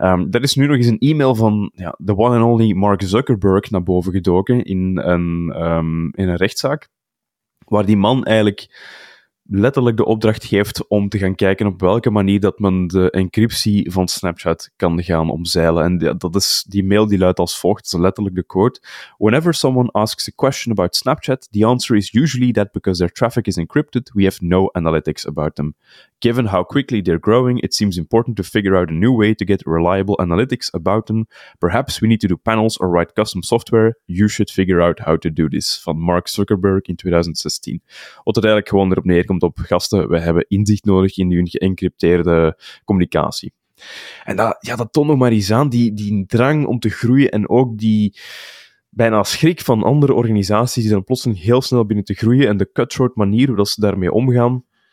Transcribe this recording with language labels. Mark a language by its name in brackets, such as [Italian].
[Dutch] Er is nu nog eens een e-mail van de one and only Mark Zuckerberg naar boven gedoken in een rechtszaak, waar die man eigenlijk letterlijk de opdracht geeft om te gaan kijken op welke manier dat men de encryptie van Snapchat kan gaan omzeilen. En dat is die mail die luidt als volgt, dat is letterlijk de quote. [English] Whenever someone asks a question about Snapchat, the answer is usually that because their traffic is encrypted, we have no analytics about them. Given how quickly they're growing, it seems important to figure out a new way to get reliable analytics about them. Perhaps we need to do panels or write custom software. You should figure out how to do this. [Dutch] Van Mark Zuckerberg in 2016. Wat het eigenlijk gewoon erop neerkomt op gasten, we hebben inzicht nodig in hun geëncrypteerde communicatie. En dat, ja, dat toont nog maar eens aan, die drang om te groeien en ook die bijna schrik van andere organisaties die dan plotseling heel snel binnen te groeien en de cutthroat manier hoe dat ze daarmee omgaan.